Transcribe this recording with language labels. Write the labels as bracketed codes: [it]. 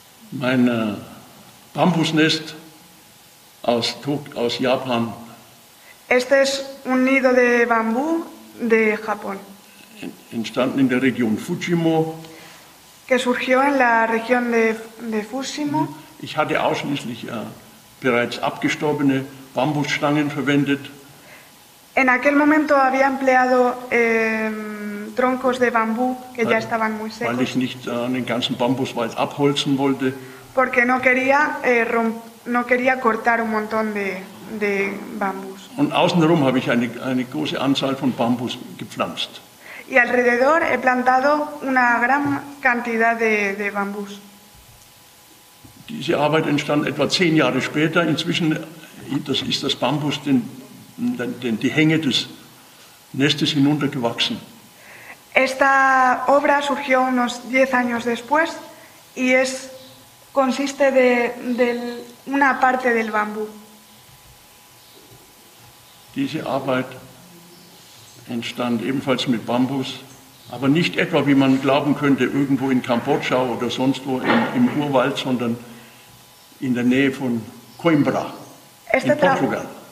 [de] Mein Bambusnest aus Japan. [es] Este es un nido de bambú de Japón. [de] Entstanden in der Region Fujimo. [es] Que surgió en la región de Fujimo. [de] Ich hatte ausschließlich bereits abgestorbene Bambusstangen verwendet. [es] En aquel momento había empleado troncos de bambú que ya estaban muy secos. [de] Weil ich nicht den ganzen Bambuswald abholzen wollte. [es] Porque no quería cortar un montón de bambús. [de] Und außenrum habe ich eine große Anzahl von Bambus gepflanzt. [es] Y alrededor he plantado una gran cantidad de bambús. [de] Diese Arbeit entstand etwa 10 Jahre später. Inzwischen ist das Bambus die Hänge des Nestes hinuntergewachsen. [es] Esta obra surgió unos 10 años después y es consiste de una parte del bambú. [de] Diese Arbeit entstand ebenfalls mit Bambus, aber nicht etwa, wie man glauben könnte, irgendwo in Kambodscha oder sonst wo im Urwald, sondern in der Nähe von Coimbra, in Portugal.